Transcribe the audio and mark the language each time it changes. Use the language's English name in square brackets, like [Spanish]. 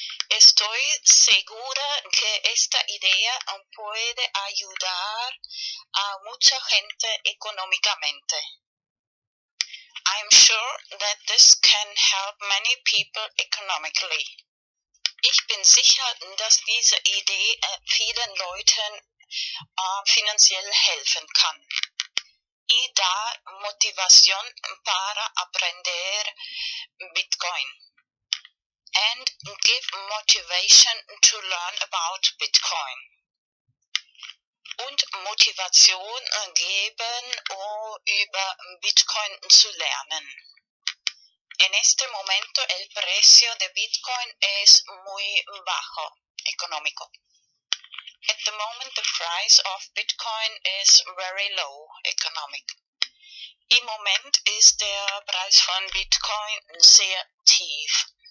[Spanish] Estoy segura que esta idea puede ayudar a mucha gente económicamente. [English] I'm sure that this can help many people economically. [German] Ich bin sicher, dass diese Idee vielen Leuten finanziell helfen kann. [Spanish] Y dar motivación para aprender Bitcoin. [English] And give motivation to learn about Bitcoin. [German] Und Motivation geben, über Bitcoin zu lernen. [Spanish] En este momento el precio de Bitcoin es muy bajo, económico. [English] At the moment the price of Bitcoin is very low, economic. [German] Im Moment ist der Preis von Bitcoin sehr tief.